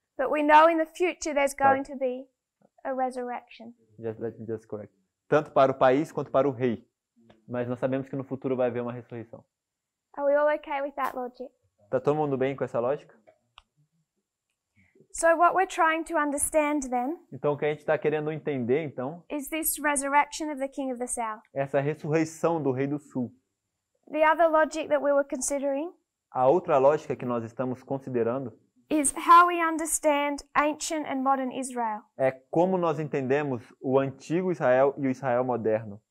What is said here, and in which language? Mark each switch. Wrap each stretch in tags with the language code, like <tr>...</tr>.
<en>But we know in the future there's going to be a resurrection. Just correct.</en> <pt>Tanto para o país quanto para o rei. Mas nós sabemos que no futuro vai haver uma ressurreição.</pt> <en>Are we all okay with that logic?</en> <pt>Tá todo mundo bem com essa lógica?</pt> <en>So what we're trying to understand then?</en> <pt>Então o que a gente está querendo entender então?</pt> <en>Is this resurrection of the King of the South?</en> <pt>Essa ressurreição do Rei do Sul.</pt> <en>The other logic that we were considering?</en> <pt>A outra lógica que nós estamos considerando?</pt> <en>Is how we understand ancient and modern Israel.</en> <pt>É como nós entendemos o antigo Israel e o Israel moderno.</pt>